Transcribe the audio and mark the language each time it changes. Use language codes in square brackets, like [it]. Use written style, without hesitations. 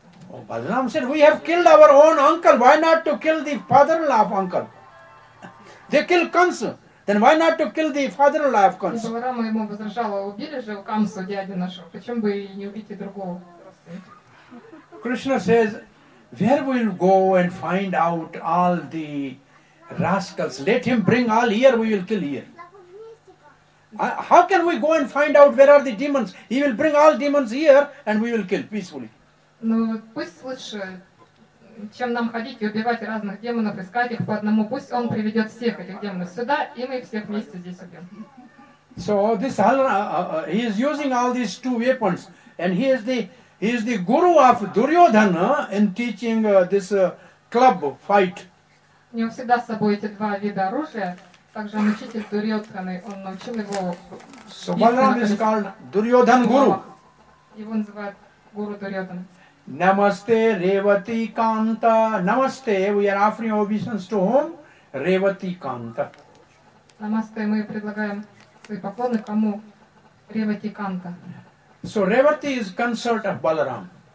[en] Oh, Balaram said, we have killed our own uncle, why not to kill the father-in-law of uncle? They killed Kansa, then why not to kill the father-in-law of Kansa? [ru] Баларама ему возражала, убили же Камсу, дядю нашего, почему бы и не убить и другого? [en] Krishna says, where will go and find out all the rascals? Let him bring all here, we will kill here. How can we go and find out where are the demons? He will bring all demons here and we will kill peacefully. [ru] Ну, пусть лучше, чем нам ходить и убивать разных демонов, искать их по одному. Пусть он приведет всех этих демонов сюда, и мы их всех вместе здесь убьем. [en] So this he is using all these two weapons, and he is the guru of Duryodhana in teaching this club fight. [ru] У него всегда с собой эти два вида оружия. Также он учитель Дурьодханы, он научил его. [en] So Balaram is called Duryodhan Guru. [ru] Его называют Гуру Дурьодхана. [en] Namaste, Revati Kanta. Namaste, we are offering obeisance to whom? Revati Kanta. [ru] Namaste, мы предлагаем свои поклоны кому? [en] Revati Kanta. So Revati is consort of Balaram.